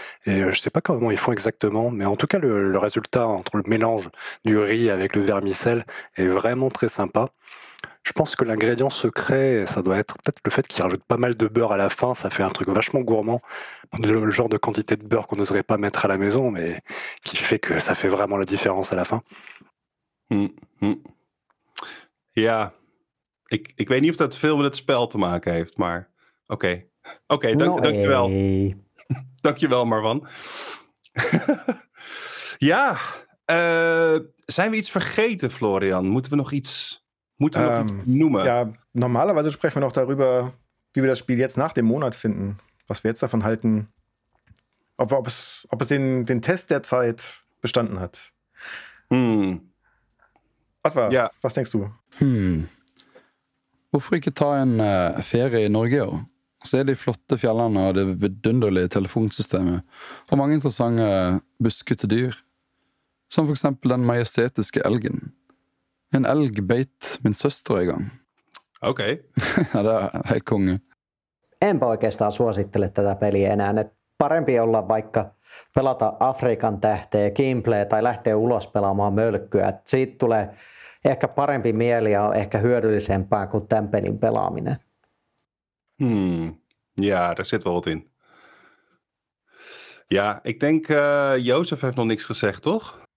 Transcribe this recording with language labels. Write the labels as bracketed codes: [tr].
[fr] Et je ne sais pas comment ils font exactement, mais en tout cas, le résultat entre le mélange du riz avec le vermicelle est vraiment très sympa. Je pense que l'ingrédient secret, ça doit être peut-être le fait qu'ils rajoutent pas mal de beurre à la fin. Ça fait un truc vachement gourmand, le genre de quantité de beurre qu'on n'oserait pas mettre à la maison, mais qui fait que ça fait vraiment la différence à la fin. [nl] Ja, ik weet niet of dat veel met het spel te maken heeft, maar oké. Oké, dankjewel. Dankjewel, Marwan. Ja, zijn we iets vergeten, Florian? Moeten we nog iets noemen? [de] Ja, normalerweise sprechen wir noch darüber, wie wir das Spiel jetzt nach dem Monat finden. Was wir jetzt davon halten, ob es den Test der Zeit bestanden hat. Atva, was denkst du? [no] Hvorfor ikke ta en ferie i Norge også? Så er de flotte fjellene og det vidunderlige telefonsystemet og mange interessante buskete dyr, som for eksempel den majestetiske elgen. En elg beit min søster i gang. Ok. Ja, det er helt konge. [fi] Enpä oikeastaan suosittele tätä peliä enää. Parempi olla vaikka pelata Afrikan tähteä, gameplay tai lähteä ulos pelaamaan mölkkyä. Siitä tulee ehkä parempi mieli ja ehkä hyödyllisempää kuin tämän pelin pelaaminen. [nl] Ja, daar zit wel wat in. Ja, ik denk Jozef heeft nog niks gezegd, toch?